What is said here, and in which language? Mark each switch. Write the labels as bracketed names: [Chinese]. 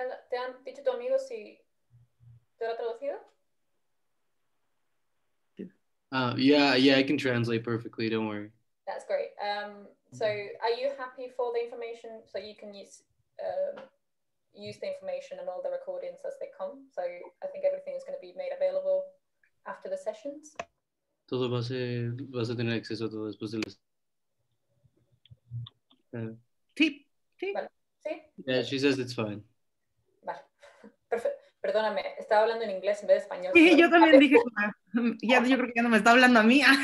[Spanish] ¿Te han dicho tu amigo si te lo ha traducido? [English] Yeah, I can translate perfectly, don't worry. That's great. So are you happy for the information so you can use the information and all the recordings as they come? So I think everything is going to be made available after the sessions. [Spanish] Todo vas a tener acceso a todo después de las... Sí. [English] Yeah, she says it's fine. [Spanish] Vale. Perdóname, estaba hablando en inglés en vez de español. Sí, yo también dije, yo creo que ya no me está hablando a mí.